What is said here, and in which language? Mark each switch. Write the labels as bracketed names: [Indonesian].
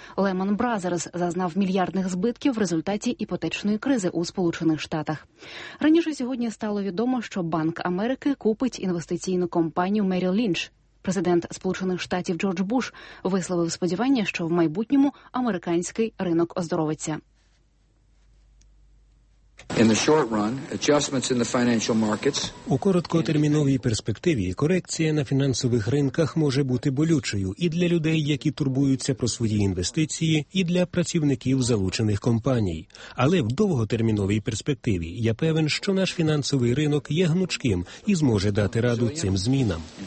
[Ukrainian] Lehman Brothers зазнав мільярдних збитків в результаті іпотечної кризи у Сполучених Штатах. Раніше сьогодні стало відомо, що Банк Америки купить інвестиційну компанію Merrill Lynch. Президент Сполучених Штатів Джордж Буш висловив сподівання, що в майбутньому американський ринок оздоровиться. [English] In the short run, adjustments in the financial markets. [Ukrainian] У короткотерміновій перспективі корекція на фінансових ринках може бути болючою і для людей, які турбуються про свої інвестиції, і для працівників залучених компаній. Але в довготерміновій перспективі я певен, що наш фінансовий ринок є гнучким і зможе дати раду цим змінам.